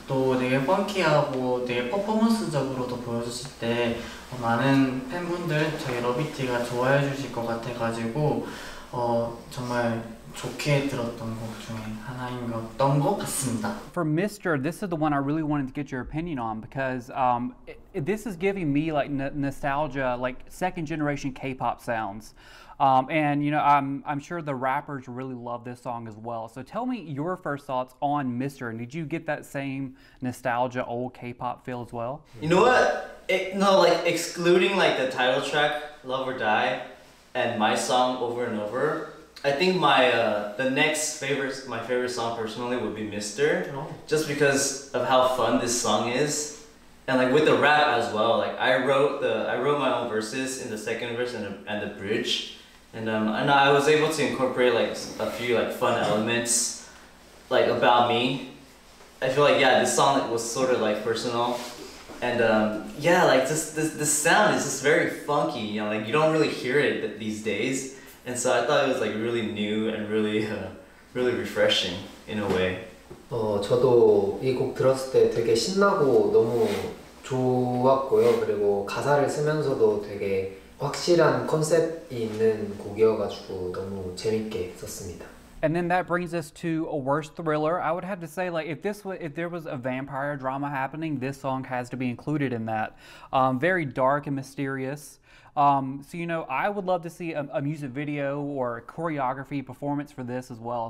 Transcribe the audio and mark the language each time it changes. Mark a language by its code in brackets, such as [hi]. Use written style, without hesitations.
[ko] 또 되게 펑키하고 되게 퍼포먼스적으로도 보여줬을 때 많은 팬분들 저희 러비티가 좋아해 주실 것 같아가지고 정말 좋게 들었던 곡 중에 하나인 것 같습니다. [en] For Mister, this is the one I really wanted to get your opinion on because this is giving me like nostalgia, like second generation K-pop sounds. And you know, I'm sure the rappers really love this song as well. So tell me your first thoughts on Mister. Did you get that same nostalgia, old K-pop feel as well? You know what? Excluding like the title track, Love or Die, and my song Over and Over, I think my favorite song personally would be Mister. Just because of how fun this song is. And like with the rap as well, like I wrote my own verses in the second verse and the bridge. And I was able to incorporate like a few like fun elements like about me. I feel like, yeah, this song was sort of like personal. And yeah, like just the sound is just very funky, you know, like you don't really hear it these days. And so I thought it was like really new and really really refreshing in a way. [ko] 저도 이 곡 들었을 때 되게 신나고 너무 좋았고요. 그리고 가사를 쓰면서도 되게 확실한 컨셉이 있는 곡이어가지고 너무 재밌게 썼습니다. [en] And then that brings us to a worst thriller. I would have to say, like, if there was a vampire drama happening, this song has to be included in that. Very dark and mysterious. So, you know, I would love to see a music video or a choreography performance for this as well.